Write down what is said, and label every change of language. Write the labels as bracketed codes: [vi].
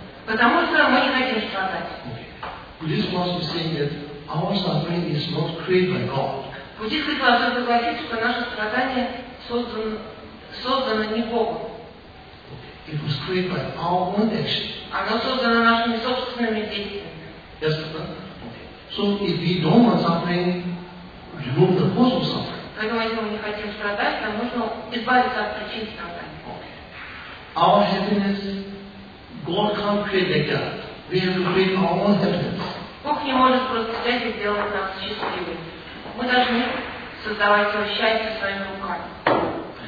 [ru] Потому что мы не хотим страдать. [en] Buddhist philosophy saying that our suffering is not created by God. [ru] Буддийская философия говорит, что наше страдание создано не Богом. [en] It was created by our own actions. [ru] Оно создано нашими собственными действиями. [en] Yes, okay. So if we don't want something, remove the cause of suffering. [ru] Поэтому если мы не хотим страдать, нам нужно избавиться от причин страдания. [en] Our happiness, God can't create that. We have to create our own happiness. [ru] Бог не может просто взять и сделать нас счастливыми. Мы должны создавать свое счастье своими руками.